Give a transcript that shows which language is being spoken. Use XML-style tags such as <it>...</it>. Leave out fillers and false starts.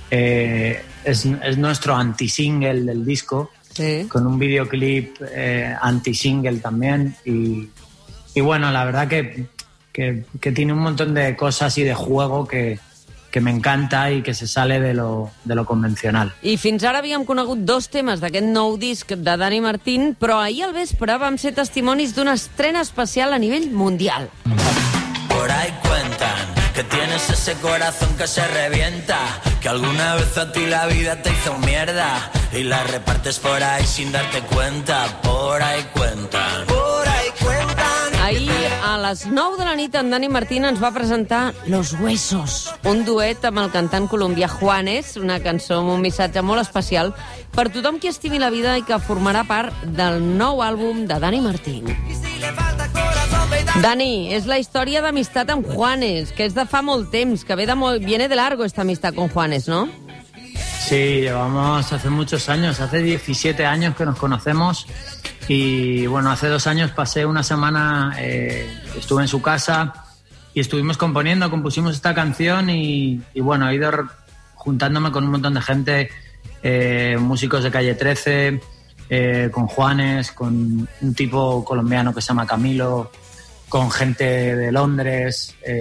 <es>Es nuestro anti-single del disco, sí, con un videoclip anti-single también. Y, Y bueno, la verdad que tiene un montón de cosas y de juego que me encanta i que se sale de lo convencional.</es> <ca>I fins ara havíem conegut dos temes d'aquest nou disc de Dani Martín, però ahir al vespre vam ser testimonis d'una estrena especial a nivell mundial.</ca> <es>Por ahí cuentan que tienes ese corazón que se revienta, que alguna vez a ti la vida te hizo mierda y la repartes por ahí sin darte cuenta. Por ahí cuentan. Por ahí cuentan.</es> <ca>Ahir a les 9 de la nit en Dani Martín ens va presentar Los Huesos, un duet amb el cantant colombià Juanes, una cançó amb un missatge molt especial per tothom qui estimi la vida i que formarà part del nou àlbum de Dani Martín. Dani, és la història d'amistat amb Juanes, que és de fa molt temps, que ve de molt...</ca> <es>viene de largo esta amistad con Juanes, ¿no? Sí, llevamos hace muchos años, hace 17 años que nos conocemos y, bueno, hace dos años pasé una semana, estuve en su casa y estuvimos componiendo, compusimos esta canción y bueno, he ido juntándome con un montón de gente, músicos de Calle 13, con Juanes, con un tipo colombiano que se llama Camilo, con gente de Londres,</es>